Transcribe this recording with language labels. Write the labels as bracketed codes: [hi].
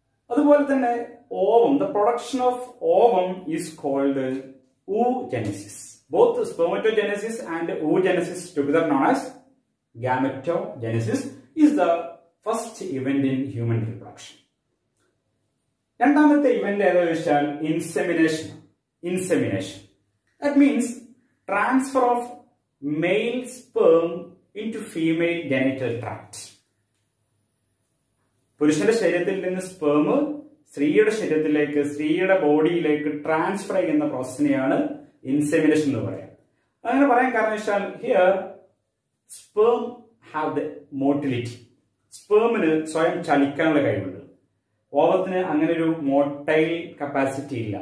[ml] അതുപോലെ തന്നെ [en] Ovum, the production of ovum is called oogenesis. Both spermatogenesis and oogenesis together known as gametogenesis is the first event in human reproduction. [ml] രണ്ടാമത്തെ event ഏതാ ചോദിച്ചാൽ insemination. [en] Insemination that means transfer of male sperm into female genital tract. [ml] പുരുഷന്റെ ശരീരത്തിൽ നിന്ന് sperm സ്ത്രീയുടെ ശരീരത്തിലേക്ക്, സ്ത്രീയുടെ ബോഡിയിലേക്ക് transfer ചെയ്യുന്ന പ്രോസസ്സിനെയാണ് ഇൻസെമിനേഷൻ എന്ന് പറയാം. അങ്ങനെ പറയാൻ കാരണം വെച്ചാൽ [en] Here sperm have the motility. [ml] സ്പേമിന് സ്വയം ചലിക്കാനുള്ള കഴിവുണ്ട്. ഓവത്തിന് അങ്ങനെ ഒരു മോട്ടൈൽ കപ്പാസിറ്റി ഇല്ല.